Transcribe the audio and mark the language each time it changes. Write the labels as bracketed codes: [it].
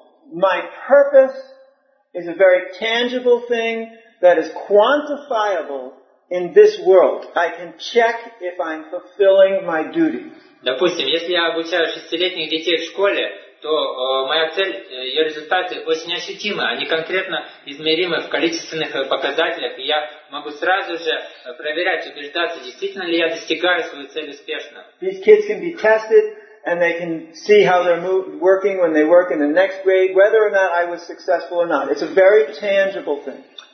[en] My purpose is a very tangible thing that is quantifiable in this world. I can check if I'm fulfilling my duty. [ru] Допустим, если я обучаю шестилетних детей в школе, то моя цель, ее результаты очень ощутимы, они конкретно измеримы в количественных показателях, и я могу сразу же проверять, убеждаться, действительно ли я достигаю свою цель успешно. [en] These kids can be tested, and they can see how they're working when they work in the next grade, whether or not I was successful or not. It's a very tangible thing.